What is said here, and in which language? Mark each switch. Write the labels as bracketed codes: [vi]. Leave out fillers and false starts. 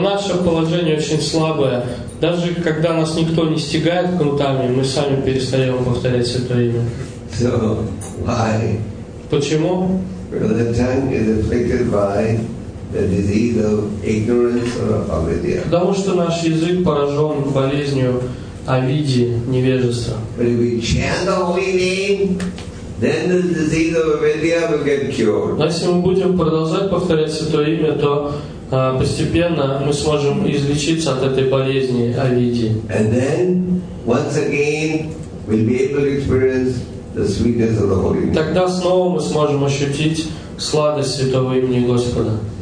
[ru] наше положение очень слабое. Даже когда нас никто не стегает кнутами, мы сами перестаем повторять Святое Имя. [en] So, why? [ru] Почему? [en] Because the tongue is afflicted by the disease of ignorance or avidya. [ru] Потому что наш язык поражен болезнью авиди, невежества. [en] But if we chant the holy name, then the disease of avidya will get cured. [ru] Но если мы будем продолжать повторять Святое Имя, то постепенно мы сможем излечиться от этой болезни авиди. [en] And then once again we'll be able to experience the sweetness of the holy name. [ru] Тогда снова мы сможем ощутить сладость Святого Имени Господа.